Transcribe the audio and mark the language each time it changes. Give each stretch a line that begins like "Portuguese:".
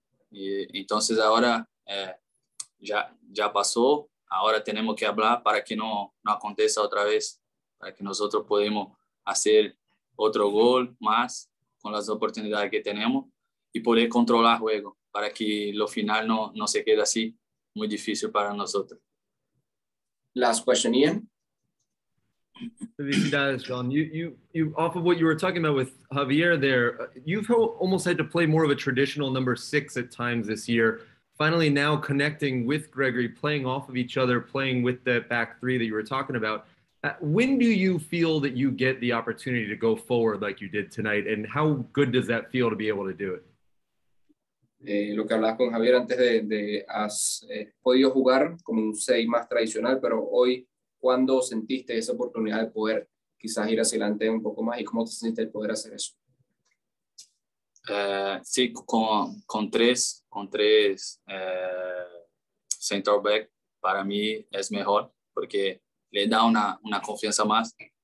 Spanish: Y entonces ahora ya pasó, ahora tenemos que hablar para que no acontezca otra vez, para que nosotros podamos hacer otro gol más con las oportunidades que tenemos y poder controlar el juego para que lo final no se quede así muy difícil para nosotros.
English: Last question, Ian.
Spanish: Felicidades, John.
English: You off of what you were talking about with Javier there, you've almost had to play more of a traditional number six at times this year. Finally now connecting with Gregory, playing off of each other, playing with the back three that you were talking about. When do you feel that you get the opportunity to go forward like you did tonight? And how good does that feel to be able to do it?
Spanish: Lo que hablabas con Javier antes de has podido jugar como un seis más tradicional, pero hoy, ¿cuándo sentiste esa oportunidad de poder quizás ir hacia adelante un poco más? ¿Y cómo te sentiste el poder hacer eso? Sí, con tres center back, para mí es mejor porque le da una confianza más.